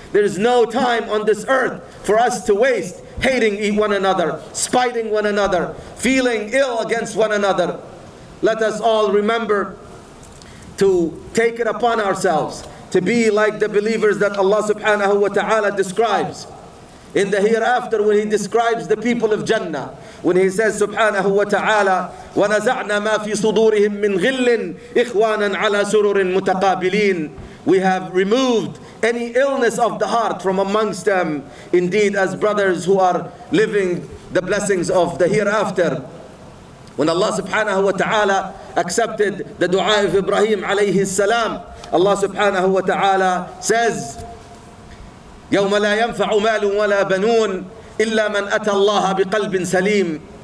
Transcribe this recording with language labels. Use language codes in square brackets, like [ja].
[en] There is no time on this earth for us to waste hating one another, spiting one another, feeling ill against one another. Let us all remember to take it upon ourselves to be like the believers that Allah subhanahu wa ta'ala describes in the hereafter when He describes the people of Jannah. When He says subhanahu wa ta'ala, [ar] وَنَزَعْنَا مَا فِي صُدُورِهِمْ مِنْ غِلٍّ إِخْوَانًا عَلَى سُرُرٍ مُتَقَابِلِينَ. [en] We have removed any illness of the heart from amongst them, indeed as brothers who are living the blessings of the hereafter. When Allah subhanahu wa ta'ala accepted the dua of Ibrahim alayhi salam, Allah subhanahu wa ta'ala says, [ar] يَوْمَ لَا يَنْفَعُ مَالٌ وَلَا بَنُونَ إِلَّا مَنْ أَتَى اللَّهَ بِقَلْبٍ سَلِيمٍ.